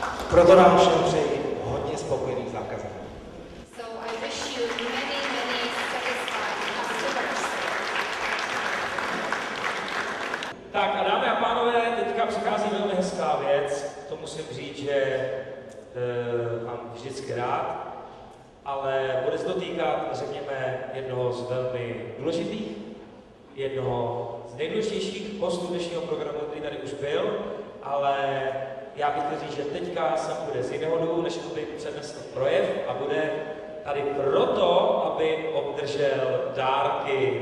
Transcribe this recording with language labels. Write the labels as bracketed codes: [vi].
[cs] Proto nám všem přeji hodně spokojených zákazníků. [en] So I wish you many, many satisfied customers. [cs] Tak a dámy a pánové, teďka přichází velmi hezká věc. To musím říct, že mám vždycky rád, ale bude se dotýkat, řekněme, jednoho z velmi důležitých, jednoho z nejdůležitějších hostů dnešního programu, který tady už byl, ale já bych chtěl říct, že teďka se bude z jiného důvodu, než aby přednesl projev a bude tady proto, aby obdržel dárky.